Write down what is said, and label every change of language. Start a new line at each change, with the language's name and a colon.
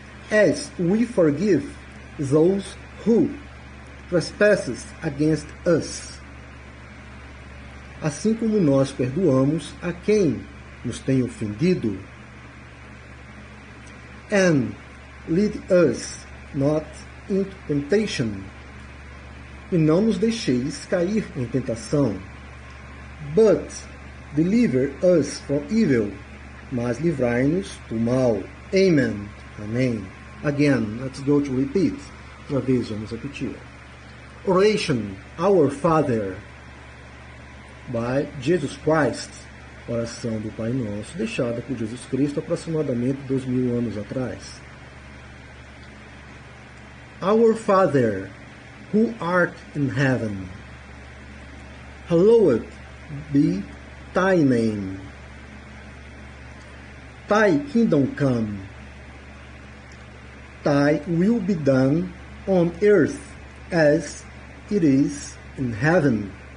English: As we forgive those who trespasses against us.
Portuguese: Assim como nós perdoamos a quem nos tem ofendido.
English: And lead us not into temptation.
Portuguese: E não nos deixeis cair em tentação.
English: But deliver us from evil.
Portuguese: Mas livrai-nos do mal. Amen. Amém.
English: Again, let's go to repeat.
Portuguese: Outra vez, vamos repetir.
English: Oration, Our Father, by Jesus Christ.
Portuguese: Oração do Pai Nosso, deixada por Jesus Cristo aproximadamente 2000 anos atrás.
English: Our Father, who art in heaven, hallowed be thy name. Thy kingdom come. Thy will be done on earth as it is in heaven.